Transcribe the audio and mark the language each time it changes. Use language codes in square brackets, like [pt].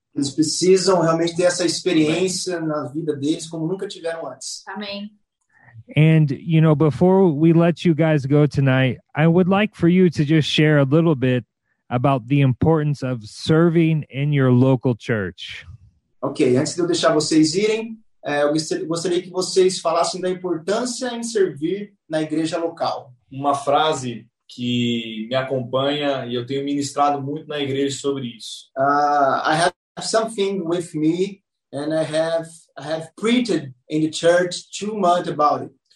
[pt] Eles precisam realmente ter essa experiência na vida deles como nunca tiveram antes. Amém. [en] And, you know, before we let you guys go tonight, I would like for you to just share a little bit about the importance of serving in your local church. [pt] Okay, antes de eu deixar vocês irem, eu gostaria que vocês falassem da importância em servir na igreja local. Uma frase que me acompanha e eu tenho ministrado muito na igreja sobre isso. [en] I have something with me and I have preached in the church too much about it.